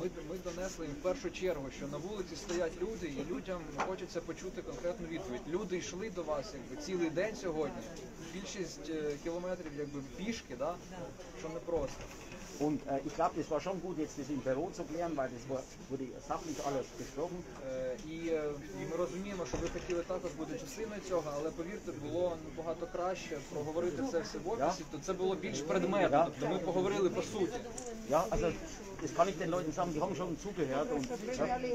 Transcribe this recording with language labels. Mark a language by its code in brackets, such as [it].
[uk] Ми донесли їм в першу чергу, що на вулиці стоять люди, і людям хочеться почути конкретну відповідь. Люди йшли до вас якби цілий день сьогодні, більшість кілометрів якби пішки, да? Що не просто. [de] Und ich glaube, das war schon gut, jetzt das im Büro zu klären, weil das wurde sachlich alles besprochen. [uk] І ми розуміємо, що ви хотіли також бути частиною цього, але повірте, було набагато краще проговорити все в офісі, то це було більш предметно, тобто ми поговорили по суті. [de] Ja, also das kann ich den Leuten sagen, die haben schon zugehört und ja.